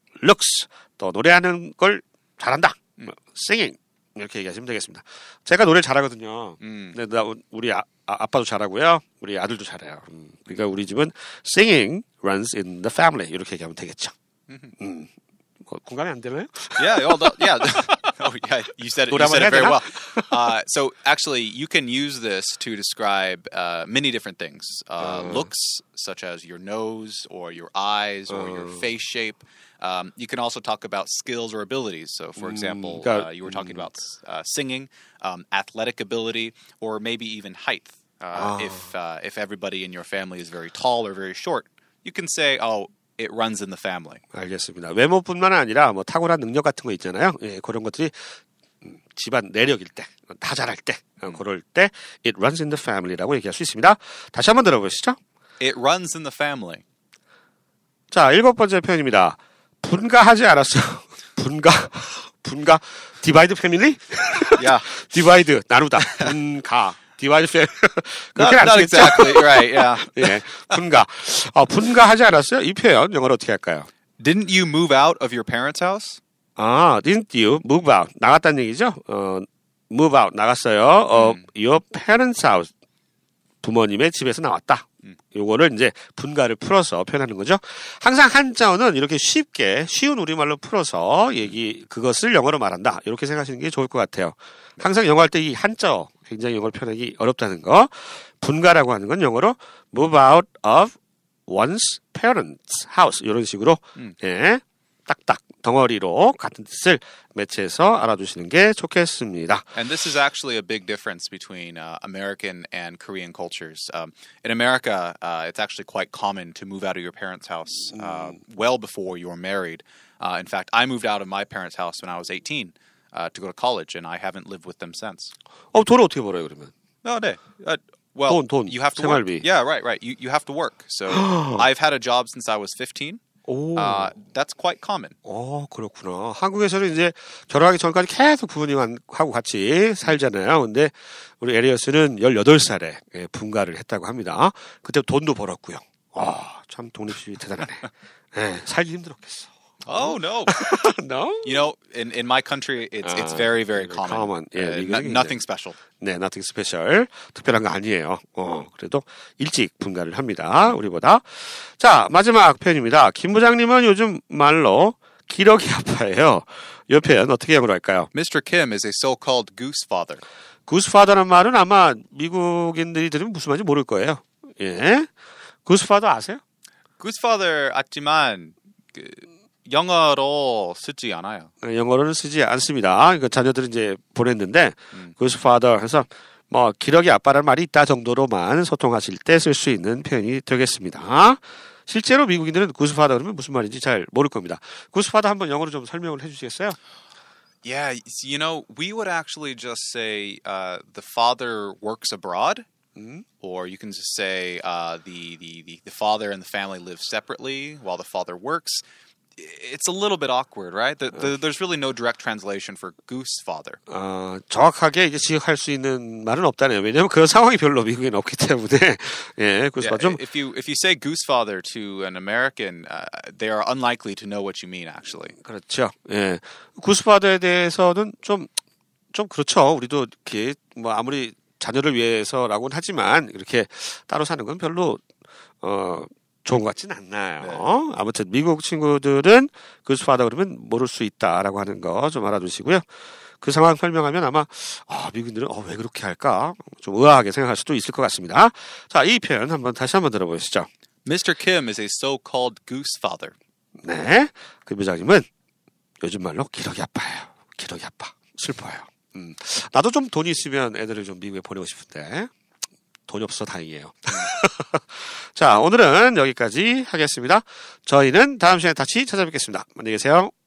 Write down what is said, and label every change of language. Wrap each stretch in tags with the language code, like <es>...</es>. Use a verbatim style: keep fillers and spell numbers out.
<ko>looks 또 노래하는 걸 잘한다. singing 이렇게 얘기하시면 되겠습니다. 제가 노래 잘하거든요. 음. 근데 나 우리 아, 아, 아빠도 잘하고요. 우리 아들도 잘해요. 음, 그러니까 우리 집은</ko> <en>singing runs in the family</en> <ko>이렇게 얘기하면 되겠죠. 음. 뭐, 공감이 안 되나요?</ko> <en>Yeah, well, the, yeah. Oh, yeah. You said it, you said it very well. Uh, so actually, you can use this to describe uh, many different things. Uh, looks, such as your nose or your eyes or your face shape. Um, you can also talk about skills or abilities. So, for example, got- uh, you were talking about uh, singing, um, athletic ability, or maybe even height. Uh, If uh, if everybody in your family is very tall or very short, you can say, "Oh, it runs in the family."</en> <ko>알겠습니다. 외모뿐만 아니라 뭐 탁월한 능력 같은 거 있잖아요. 예, 그런 것들이 음, 집안 내력일 때, 다 잘할 때, 어, 그럴 때</ko> <en>it runs in the family</en> <ko>라고 얘기할 수 있습니다. 다시 한번 들어보시죠.</ko> <en>It runs in the family.</en> <ko>자, 일곱 번째 표현입니다. 분가하지 않았어요. 분가, 분가,</ko> <en>divide family, Yeah. divide</en> <ko>나누다, 분가,</ko> <en>divide family. not,</en> <ko>그렇게는 안</ko> <en>not</en> <ko>쓰겠죠?</ko> <en>exactly right. Yeah.</en> <ko>예, 분가. 어, 분가하지 않았어요. 이 표현 영어로 어떻게 할까요?</ko> <en>Didn't you move out of your parents' house? 아, didn't you move out?</en> <ko>나갔다는 얘기죠? 어, move out, 나갔어요.</ko> <en>어, your parents' house.</en> <ko>부모님의 집에서 나왔다. 요거를 이제 분가를 풀어서 표현하는 거죠. 항상 한자어는 이렇게 쉽게 쉬운 우리말로 풀어서 얘기 그것을 영어로 말한다. 이렇게 생각하시는 게 좋을 것 같아요. 항상 영어 할 때 이 한자어 굉장히 영어로 표현하기 어렵다는 거. 분가라고 하는 건 영어로</ko> <en>move out of one's parents' house</en> <ko>이런 식으로 예, 딱딱 덩어리로 같은 뜻을 매치해서 알아두시는 게 좋겠습니다.</ko> <en>And this is actually a big difference between uh, American and Korean cultures. Um, in America, uh, it's actually quite common to move out of your parents' house uh, well before you're married. Uh, in fact, I moved out of my parents' house when I was eighteen uh, to go to college, and I haven't lived with them since.</en> <ko>어, 돈을 어떻게 벌어요 그러면?</ko> <en>No, no. Uh, well, Don't, don't. you have to work.</en> <ko>생활비.</ko> <en>Yeah, right, right. You you have to work. So I've had a job since I was fifteen.</en> <ko>오.</ko> <en>Uh, that's quite common.</en> <ko>어, 그렇구나. 한국에서는 이제 결혼하기 전까지 계속 부모님하고 같이 살잖아요. 근데 우리 에리어스는 열여덟 살에 분가를 했다고 합니다. 그때 돈도 벌었고요. 아, 참 독립심이 대단하네. 예, 살기 힘들었겠어.</ko> <en>Oh no. No? You know, in, in my country, it's it's very very common. common. Yeah, Uh, because no- it's- nothing special.</en> <ko>네,</ko> <en>nothing special.</en> <ko>특별한 거 아니에요. 어, 그래도 일찍 분가를 합니다. 우리보다. 자, 마지막 표현입니다. 김 부장님은 요즘 말로 기러기 아빠예요. 이 표현 어떻게 영어로 할까요?</ko> <en>Mister Kim is a so-called goose father.</en> <ko>구스파더라는 말은 아마 미국인들이 들으면 무슨 말인지 모를 거예요. 예. 구스파더 아세요? Goose father 하지만 그, 영어로 쓰지 않아요. 어, 영어로는 쓰지 않습니다. 그 자녀들은 이제 보냈는데 구스파더 해서 뭐 기러기 아빠라는 말이 있다 정도로만 소통하실 때 쓸 수 있는 표현이 되겠습니다. 실제로 미국인들은 구스파다 그러면 무슨 말인지 잘 모를 겁니다. 구스파다 한번 영어로 좀 설명을 해주시겠어요?</ko> <en>Yeah, you know, we would actually just say uh, the father works abroad, mm-hmm. or you can just say uh, the, the, the, the father and the family live separately while the father works. It's a little bit awkward, right? The, the, there's really no direct translation for goose father.</en> <ko>어, 정확하게 이제 지적할 수 있는 말은 없다네요. 왜냐하면 그런 상황이 별로 미국에는 없기 때문에. 예,</ko> <en>goose father. Yeah, if you if you say goose father to an American, uh, they are unlikely to know what you mean, actually.</en> <ko>그렇죠. 예, goose father에 대해서는 좀 좀 그렇죠. 우리도 이렇게 뭐 아무리 자녀를 위해서라고는 하지만 이렇게 따로 사는 건 별로 어. 좋은 것 같진 않나요. 네. 아무튼 미국 친구들은 구스파다 그러면 모를 수 있다라고 하는 거 좀 알아두시고요. 그 상황 설명하면 아마 아, 미국인들은 어, 왜 그렇게 할까? 좀 의아하게 생각할 수도 있을 것 같습니다. 자, 이 표현 한번 다시 한번 들어보시죠. Mister Kim is a so-called goose father. 네, 김 부장님은 요즘 말로 기러기 아빠예요. 기러기 아빠. 슬퍼요. 음, 나도 좀 돈이 있으면 애들을 좀 미국에 보내고 싶은데. 돈이 없어서 다행이에요. 자, 오늘은 여기까지 하겠습니다. 저희는 다음 시간에 다시 찾아뵙겠습니다. 안녕히 계세요.</ko>